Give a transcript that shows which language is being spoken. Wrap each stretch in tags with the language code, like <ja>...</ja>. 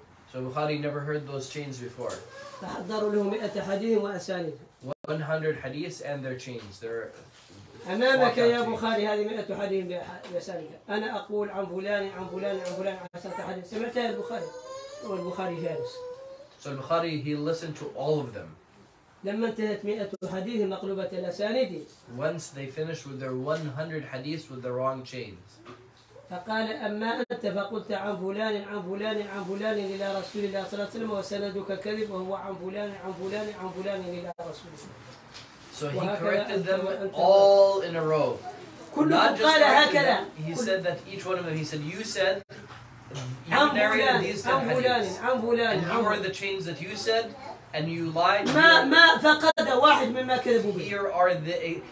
<en>So Bukhari never heard those chains before. 100 hadiths and their chains.</en> <ar>أمامك يا بخاري هذه 100 حديث بأسانيدها. أنا أقول عن فلان عن فلان عن فلان عشرة حديث. سمعتها البخاري والبخاري جالس.</ar> <en>So Bukhari, he listened to all of them.</en> <ar>لما انتهت 100 حديث مقلوبة الأسانيد.</ar> <en>Once they finished with their 100 hadiths with the wrong chains.</en> <ar>فقال أما أنت فقلت عن فلان عن فلان عن فلان إلى رسول الله صلى الله عليه وسلم وسندك كذب وهو عن فلان عن فلان عن فلان إلى رسول الله.</ar> <en>So he corrected them all in a row.</en> <ar>كلهم قال هكذا.</ar> <en>He said that each one of them, he said, you said, you narrated these 10 hadiths.</en> <ar>عن فلان عن فلان.</ar> <en>And who were the chains that you said? And you lied. Here are the.</en>